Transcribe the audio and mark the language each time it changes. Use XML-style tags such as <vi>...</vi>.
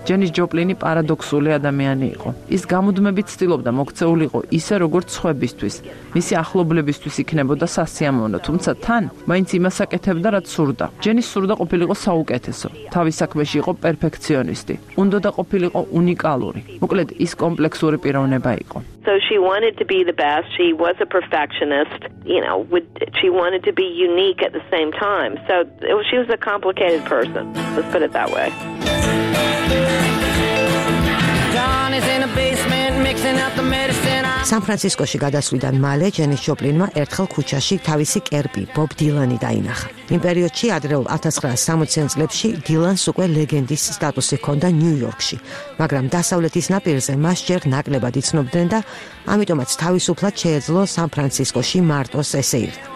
<ka>ჯენის ჯოპლინი პარადოქსული ადამიანი იყო. ის გამუდმებით ცდილობდა მოქცეულიყო ისე, როგორც სხვებისთვის, მისი ახლობლებისთვის იქნებოდა სასიამოვნო, თუმცა თან მაინც იმას აკეთებდა, რაც სურდა. ჯენის სურდა ყოფილიყო საუკეთესო, თავის საქმეში იყო პერფექციონისტი, უნდოდა ყოფილიყო უნიკალური. მოკლედ, ის კომპლექსური პიროვნება იყო.</ka> <en>So she wanted to be the best. She was a perfectionist, you know, would she wanted to be unique at the same time. So she was a complicated person. Let's put it that way. Don is in a basement mixing up the medicine.</en> <ka>San Francisco-ში გადასვლიდან მალე ჯენის ჯოპლინმა ერთხელ ქუჩაში თავისი კერპი ბობ დილანი დაინახა. იმ პერიოდში ადრეულ 1960-იან წლებში დილანს უკვე ლეგენდის სტატუსი ჰქონდა ნიუ-იორკში, მაგრამ დასავლეთის ნაპირზე მას ჯერ ნაკლებად იცნობდნენ და ამიტომაც თავისუფლად შეეძლო სან ფრანცისკოში მარტოს ესე ირთა.</ka>